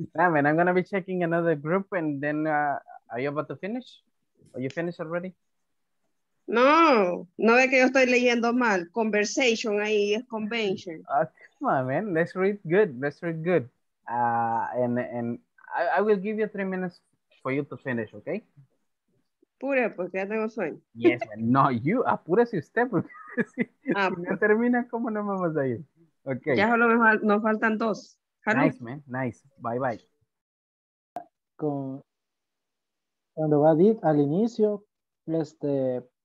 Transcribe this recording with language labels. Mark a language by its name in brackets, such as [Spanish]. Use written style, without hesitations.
[English] Nah, man, I'm going to be checking another group and then are you about to finish? Are you finished already? [Spanish] No, no ve que yo estoy leyendo mal. Conversation ahí es convention. [English] Come on, man. Let's read good. Let's read good. And I will give you 3 minutes for you to finish, okay? [Spanish] Apure, porque ya tengo sueño. [English] Yes, man. No, you. [Spanish] Apúrese usted, porque si no termina, ¿cómo no vamos a ir? [English] Okay. [Spanish] Ya solo nos faltan dos. [English] Nice, man. Nice. Bye, bye. [Spanish] Con, cuando va Did al inicio, este,